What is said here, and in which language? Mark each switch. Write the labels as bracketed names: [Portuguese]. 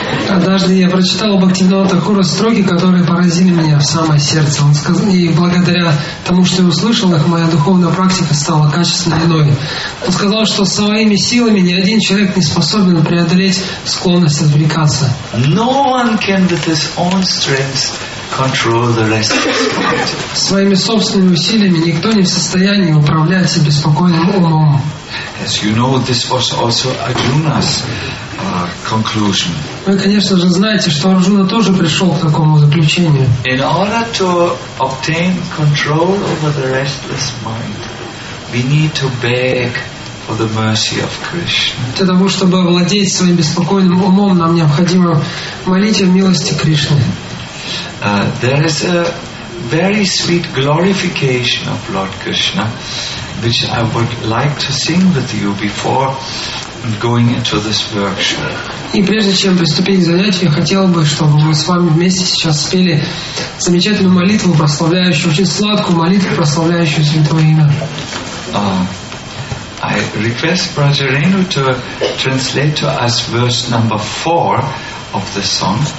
[Russian] Однажды я прочитал у Бхактивинода Тхакура строки, которые поразили меня в самое сердце. Он сказал, и благодаря тому, что я услышал их, моя духовная практика стала качественно иной. Он сказал, что своими силами ни один человек не способен преодолеть склонность отвлекаться. [English] No one can with his own strength control the rest of his mind. [Russian] Своими собственными усилиями никто не в состоянии управлять беспокойным умом. [English] As you know, this was also Arjuna's conclusion. [Russian] Вы, конечно же, знаете, что Арджуна тоже пришел к такому заключению. [English] In order to obtain control over the restless mind, we need to beg for the mercy of Krishna. [Russian] Для того, чтобы овладеть своим беспокойным умом, нам необходимо молить о милости Кришны. [English] There is a very sweet glorification of Lord Krishna, which I would like to sing with you before going into this workshop. [Russian] И прежде чем приступить к занятию, я хотел бы, чтобы мы с вами вместе сейчас спели замечательную молитву, прославляющую, очень сладкую молитву, прославляющую Святое Имя. [English] I request Brother Renu to translate to us verse number 4 of the song.